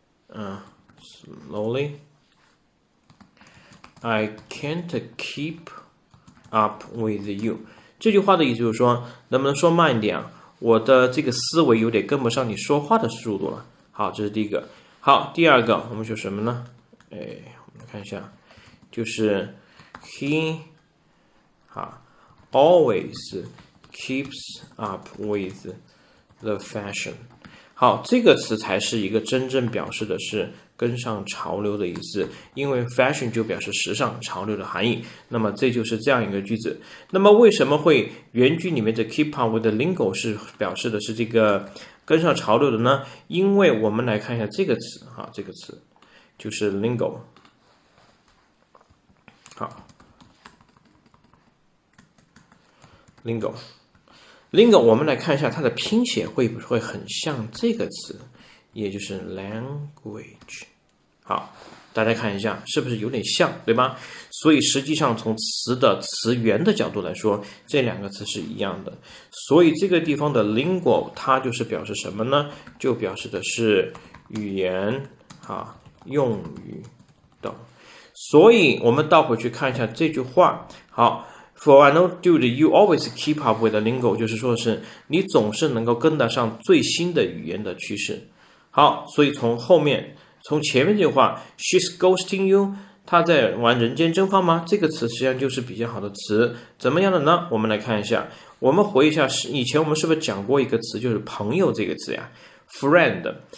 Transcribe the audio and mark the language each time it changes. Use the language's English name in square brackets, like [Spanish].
[English] slowly, I can't keep up with you. [Chinese] 这句话的意思就是说，能不能说慢一点？我的这个思维有点跟不上你说话的速度了。好，这是第一个。好，第二个，我们说什么呢？哎，我们看一下，就是 [English] he, 好 always keeps up with the fashion. [Chinese] 好，这个词才是一个真正表示的是跟上潮流的意思，因为 fashion 就表示时尚潮流的含义。那么这就是这样一个句子。那么为什么会原句里面的 [English] keep up with the lingo [Chinese] 是表示的是这个跟上潮流的呢？因为我们来看一下这个词，好，这个词就是 lingo。好 ，lingo。 lingo 我们来看一下它的拼写会不会很像这个词，也就是 language。好，大家看一下是不是有点像，对吧？所以实际上从词的词源的角度来说，这两个词是一样的。所以这个地方的 lingo 它就是表示什么呢？就表示的是语言，好，用语等。所以我们倒回去看一下这句话。 [English] 好，For an old dude, you always keep up with the lingo. [Chinese] 就是说是你总是能够跟得上最新的语言的趋势。好，所以从后面，从前面这句话 ， [English] She's ghosting you. [Chinese] 她在玩人间蒸发吗？这个词实际上就是比较好的词。怎么样的呢？我们来看一下，我们回忆一下，以前我们是不是讲过一个词，就是朋友这个词呀 ，friend。